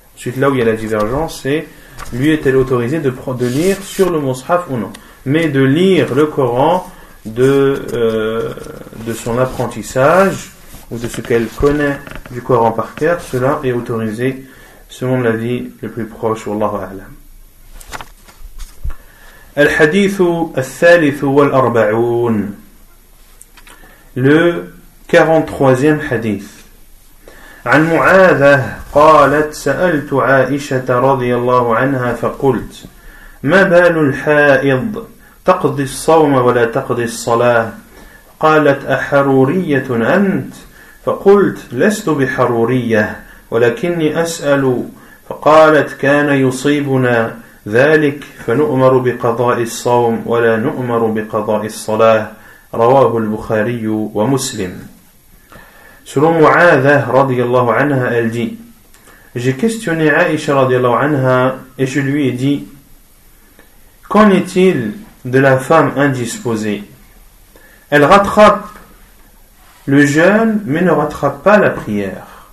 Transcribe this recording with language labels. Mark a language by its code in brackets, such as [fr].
[fr] Ensuite, là où il y a la divergence, c'est lui est-elle autorisée de lire sur le Mus'haf ou non, mais de lire le Coran de son apprentissage ou de ce qu'elle connaît du Coran par cœur, cela est autorisé selon l'avis le plus proche, Allah a'lam. [ar] الحديث الثالث والأربعون [fr] le 43e [ar] حديث عن معاذة قالت سألت عائشة رضي الله عنها فقلت ما بال الحائض تقضي الصوم ولا تقضي الصلاة قالت أحرورية أنت فقلت لست بحرورية ولكني أسأل فقالت كان يصيبنا ذلك فنؤمر بقضاء الصوم ولا نؤمر بقضاء الصلاة رواه البخاري ومسلم. [fr] Selon Mu'adha radiyallahu anha, elle dit: j'ai questionné Aïcha radiyallahu anha et je lui ai dit: qu'en est-il de la femme indisposée? Elle rattrape le jeûne mais ne rattrape pas la prière.